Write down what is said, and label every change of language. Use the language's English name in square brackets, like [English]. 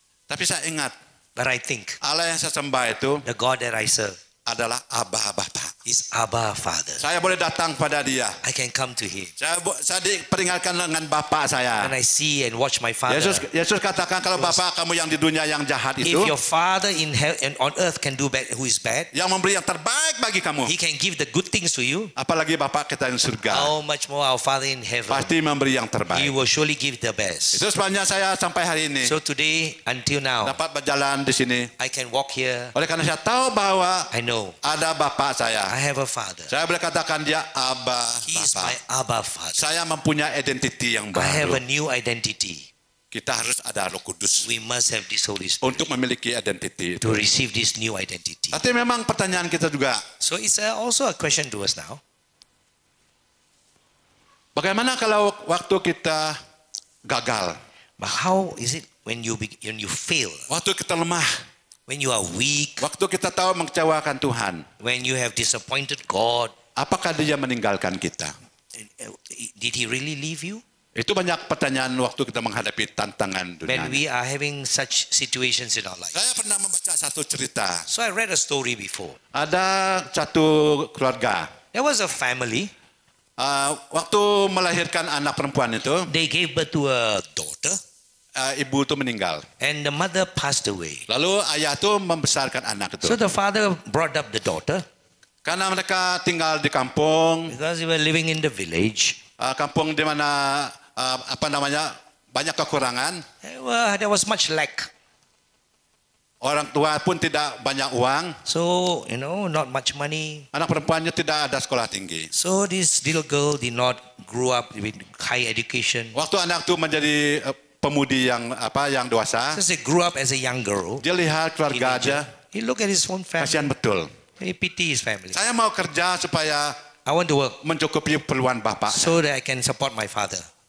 [Indonesian] Tapi saya ingat. [English] But I think. [Indonesian] Allah yang saya sembah itu. [English] The God that I serve. [Indonesian] Adalah Abba Bapa. [English] Is Abba Father. [Indonesian] Saya boleh datang pada Dia. [English] I can come to Him. [Indonesian] Saya diperingatkan dengan Bapa saya. [English] And I see and watch my Father. [Indonesian] Yesus katakan kalau Bapa kamu yang di dunia yang jahat itu. [English] If your Father in hell and on earth can do bad, who is bad? [Indonesian] Yang memberi yang terbaik bagi kamu. [English] He can give the good things to you. [Indonesian] Apalagi Bapa kita yang surga. [English] How much more our Father in heaven? [Indonesian] Pasti memberi yang terbaik. [English] He will surely give the best. [Indonesian] Itu sebabnya saya sampai hari ini. [English] So today until now. [Indonesian] Dapat berjalan di sini. [English] I can walk here. [Indonesian] Oleh karena saya tahu bahwa. [English] I know. [Indonesian] Ada bapa saya. [English] I have a father. [Indonesian] Saya boleh katakan dia Abba. [English] He is my Abba Father. [Indonesian] Saya mempunyai identiti yang baru. [English] I have a new identity. [Indonesian] Kita harus ada Roh Kudus. [English] We must have this Holy Spirit. [Indonesian] Untuk memiliki identity. [English] To receive this new identity. [Indonesian] Tapi memang pertanyaan kita juga. [English] So it's also a question to us now. [Indonesian] Bagaimana kalau waktu kita gagal? [English] But how is it when you fail? [Indonesian] Waktu kita lemah. [English] When you are weak. [Indonesian] Waktu kita tahu mengecewakan Tuhan. [English] When you have disappointed God. [Indonesian] Apakah Dia meninggalkan kita? [English] Did He really leave you? [Indonesian] Itu banyak pertanyaan waktu kita menghadapi tantangan dunia. [English] When we are having such situations in our life. [Indonesian] Saya pernah membaca satu cerita. [English] So I read a story before. [Indonesian] Ada satu keluarga. [English] There was a family. [Indonesian] Waktu melahirkan anak perempuan itu. [English] They gave birth to a daughter. [Indonesian] Ibu itu meninggal. [English] And the mother passed away. [Indonesian] Lalu ayah itu membesarkan anak itu. [English] So the father brought up the daughter. [Indonesian] Karena mereka tinggal di kampung. [English] Because they were living in the village. [Indonesian] Kampung di mana apa namanya banyak kekurangan. [English] There was much lack. [Indonesian] Orang tua pun tidak banyak uang. [English] So you know not much money. [Indonesian] Anak perempuannya tidak ada sekolah tinggi. [English] So this little girl did not grow up with high education. [Indonesian] Waktu anak itu menjadi pemudi yang apa yang dewasa. [English] So she grew up as a young girl. [Indonesian] Dia lihat keluarga aja. [English] He looked at his own family. [Indonesian] Kasihan betul. [English] He pity his family. [Indonesian] Saya mau kerja supaya [English] I want to work. [Indonesian] Mencukupi keperluan bapak. [English] So that I can support my father.